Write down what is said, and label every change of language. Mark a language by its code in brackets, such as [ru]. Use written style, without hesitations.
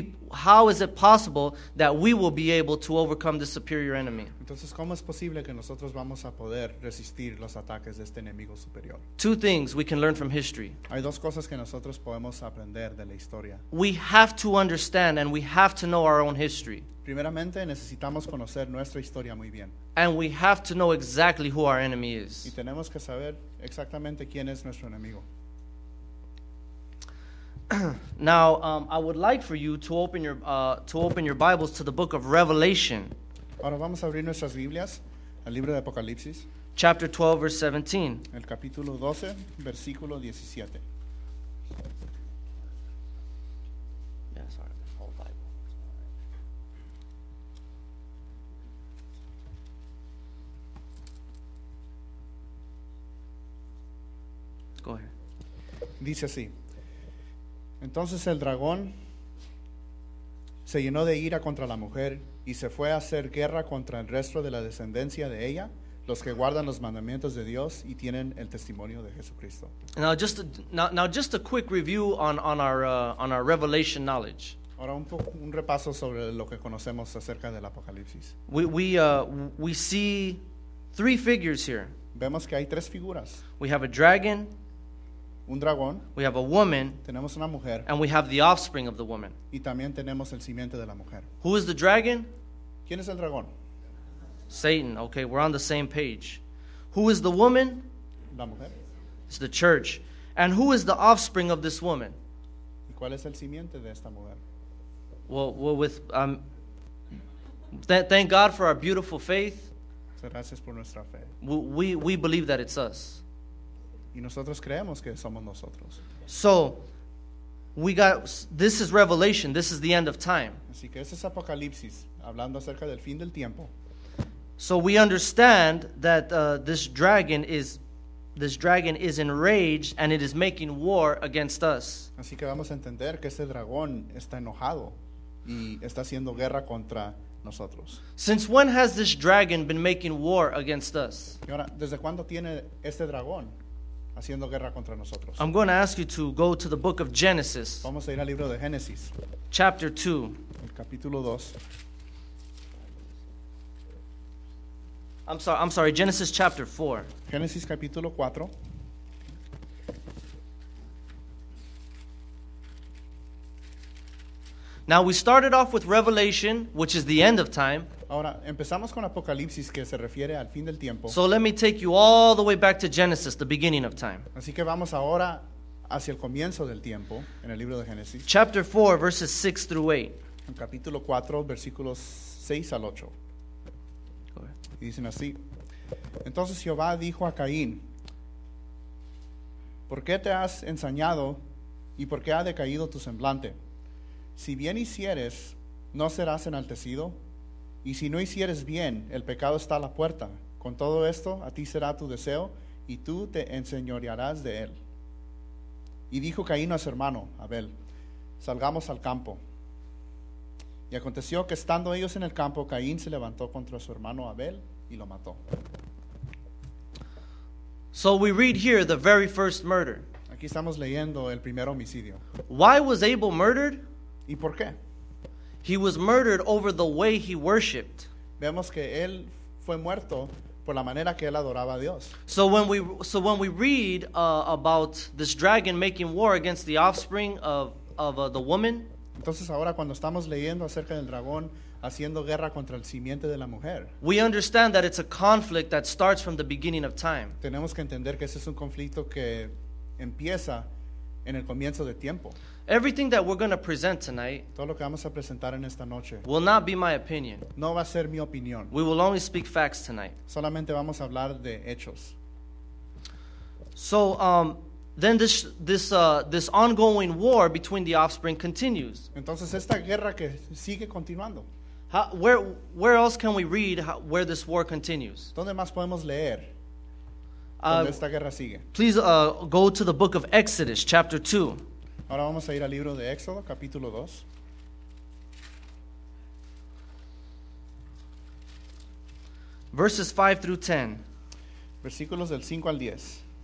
[en] how is it possible that we will be able to overcome the superior enemy? [es] Entonces, ¿cómo es posible que nosotros vamos a poder resistir los ataques de este enemigo superior? [en] Two things we can learn from history. [es] Hay dos cosas que nosotros podemos aprender de la historia. [en] We have to understand and we have to know our own history. [es] Primeramente, necesitamos conocer nuestra historia muy bien. [en] And we have to know exactly who our enemy is. [es] Y tenemos que saber exactamente quién es nuestro enemigo. [en] Now, I would like for you to open your Bibles to the book of Revelation. [es] Ahora vamos a abrir nuestras Biblias al libro de Apocalipsis. [en] Chapter 12, verse 17. [es] El capítulo 12, versículo 17. [en] Yeah, sorry, the whole Bible. Go ahead. [es] Dice así. Entonces el dragón se llenó de ira contra la mujer y se fue a hacer guerra contra el resto de la descendencia de ella, los que guardan los mandamientos de Dios y tienen el testimonio de Jesucristo. [en] Now just a quick review on our revelation knowledge. [es] Ahora un repaso sobre lo que conocemos acerca del Apocalipsis. [en] We see three figures here. [es] Vemos que hay tres figuras. [en] We have a dragon. [es] Un dragón. [en] We have a woman. [es] Tenemos una mujer. [en] And we have the offspring of the woman. [es] Y también tenemos el simiente de la mujer. [en] Who is the dragon? [es] ¿Quién es el dragón? [en] Satan. Okay, we're on the same page. Who is the woman? [es] La mujer. [en] It's the church. And who is the offspring of this woman? [es] ¿Y cuál es el simiente de esta mujer? [en] Well, with Thank God for our beautiful faith. [es] Gracias por nuestra fe. [en] We believe that it's us. [es] Y nosotros creemos que somos nosotros. [en] So, we got, this is revelation. This is the end of time. [es] Así que ese es Apocalipsis, hablando acerca del fin del tiempo. [en] So we understand that this dragon is enraged and it is making war against us. [es] Así que vamos a entender que ese dragón está enojado y está haciendo guerra contra nosotros. [en] Since when has this dragon been making war against us? [es] Y ahora, ¿desde cuándo tiene este dragón haciendo guerra contra nosotros? [en] I'm going to ask you to go to the book of Genesis. [es] Vamos a ir al libro de Génesis. [en] Chapter 2. [es] El capítulo 2. [en] I'm sorry, Genesis chapter 4. [es] Genesis capítulo 4. [en] Now we started off with Revelation, which is the end of time. [es] Ahora empezamos con Apocalipsis, que se refiere al fin del tiempo. [en] So let me take you all the way back to Genesis, the beginning of time. [es] Así que vamos ahora hacia el comienzo del tiempo en el libro de Génesis. [en] Chapter 4, verses 6 through 8. [es] En capítulo 4, versículos 6 al 8. Y dicen así: entonces Jehová dijo a Caín, ¿por qué te has ensañado y por qué ha decaído tu semblante? Si bien hicieres, ¿no serás enaltecido? Y si no hicieres bien, el pecado está a la puerta. Con todo esto, a ti será tu deseo y tú te enseñorearás de él. Y dijo Caín a su hermano Abel, salgamos al campo. Y aconteció que estando ellos en el campo, Caín se levantó contra su hermano Abel y lo mató. [en] So we read here the very first murder. [es] Aquí estamos leyendo el primer homicidio. [en] Why was Abel murdered? [es] ¿Y por qué? [en] He was murdered over the way he worshipped. [es] Vemos que él fue muerto por la manera que él adoraba a Dios. [en] So when we read about this dragon making war against the offspring of the woman. [es] Entonces ahora cuando estamos leyendo acerca del dragón haciendo guerra contra el simiente de la mujer, [en] we understand that it's a conflict that starts from the beginning of time. [es] Tenemos que entender que ese es un conflicto que empieza en el comienzo de tiempo. [en] Everything that we're going to present tonight, [es] todo lo que vamos a presentar en esta noche, [en] will not be my opinion. [es] No va a ser mi opinión. [en] We will only speak facts tonight. [es] Solamente vamos a hablar de hechos. [en] So, then this ongoing war between the offspring continues. [es] Entonces esta guerra que sigue continuando. [en] Where else can we read where this war continues? [es] ¿Dónde más podemos leer donde esta guerra sigue? [en] Please go to the book of Exodus, chapter 2. [es] Ahora vamos a ir al libro de Éxodo, capítulo 2. [en] Verses 5 through 10. [es] Versículos del 5 al 10.